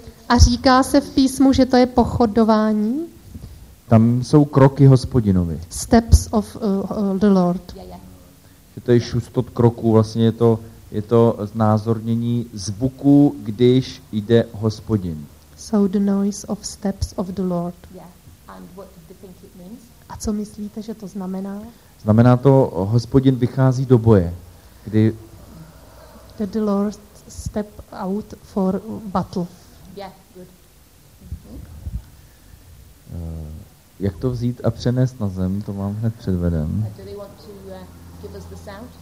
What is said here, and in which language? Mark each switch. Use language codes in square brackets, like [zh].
[cs] A říká se v písmu, že to je pochodování? Tam jsou kroky Hospodinovi. [en] Steps of the Lord. Yeah. [cs] Že to je šustot kroků, vlastně je to... Je to znázornění zvuku, když jde Hospodin. [en] So the noise of steps of the Lord. Yeah. And what do you think it means? [cs] A co myslíte, že to znamená? Znamená to, Hospodin vychází do boje, kdy [en] did the Lord step out for battle. Yeah, good. [cs] Jak to vzít a přenést na zem, to vám hned předvedem. [en] Do they want to give us the sound?